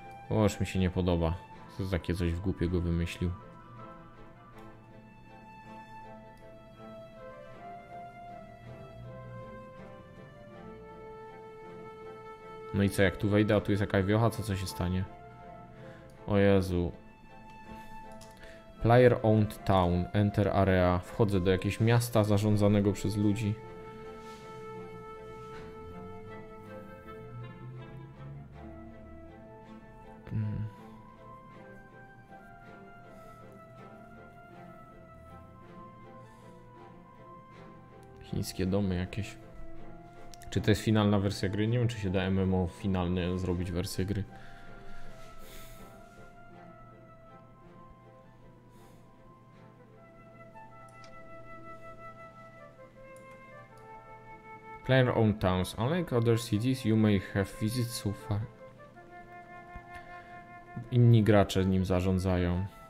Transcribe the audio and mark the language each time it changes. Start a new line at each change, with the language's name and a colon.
Polish: O, już mi się nie podoba. Co za takie coś w głupie go wymyślił. No i co, jak tu wejdę, a tu jest jakaś wiocha, co się stanie? O Jezu.
English: Player owned town, enter area.
Polish: Wchodzę do jakiegoś miasta zarządzanego przez ludzi. Chińskie domy jakieś. Czy to jest finalna wersja gry? Nie wiem, czy się da MMO finalne zrobić wersję gry.
English: Player owned towns. Unlike other cities, you may have visited so far.
Polish: Inni gracze nim zarządzają.